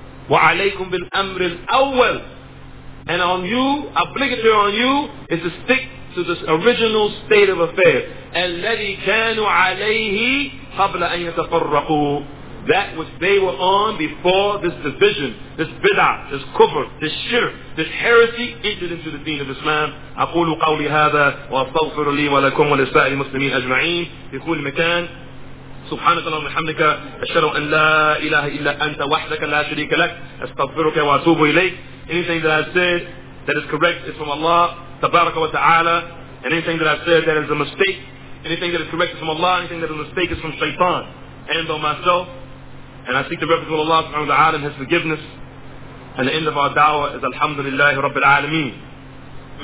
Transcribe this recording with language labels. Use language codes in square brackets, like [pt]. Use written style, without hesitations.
[ar] Wa alaykum bil amr al awwal. [en] And on you, obligatory on you, is to stick to this original state of affairs. [ar] الَّذِي كَانُوا عَلَيْهِ قَبْلَ أَن يَتَفَرَّقُوا. [en] That which they were on before this division, this bid'ah, this kufr, this shirk, this heresy entered into the deen of Islam. [ar] أقول قولي هذا وأستغفر لي ولكم ولسائر المسلمين أجمعين في كل مكان. سبحانك اللهم وبحمدك أشهد أن لا إله إلا أنت وحدك لا شريك لك أستغفرك وأتوب إليك. [en] Anything that I've said that is correct is from Allah [ar] تبارك وتعالى. [en] Anything that I've said that is a mistake, anything that is correct is from Allah. Anything that is a mistake is from Shaytan and on myself. And I seek the refuge of Allah [ar] subhanahu wa ta'ala [en] and His forgiveness. And the end of our da'wah is [ar] Alhamdulillahi Rabbil Alameen.